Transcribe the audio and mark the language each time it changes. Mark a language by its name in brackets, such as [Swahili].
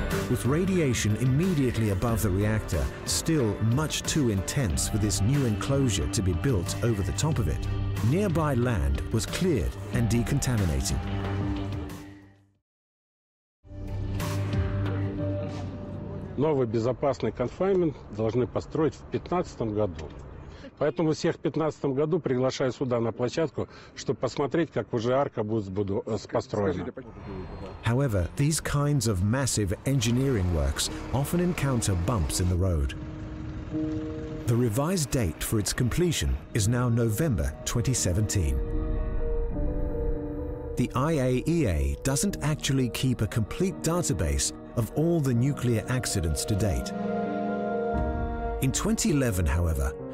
[English] With radiation immediately above the reactor still much too intense for this new enclosure to be built over the top of it, nearby land was cleared and decontaminated. [Russian] Новый безопасный конфайнмент должны построить в 15 году. Поэтому всех в 15 году приглашаю сюда на площадку, чтобы посмотреть, как уже арка будет построена. [English] However, these kinds of massive engineering works often encounter bumps in the road. The revised date for its completion is now November 2017. The IAEA doesn't actually keep a complete database of all the nuclear accidents to date. In 2011, however,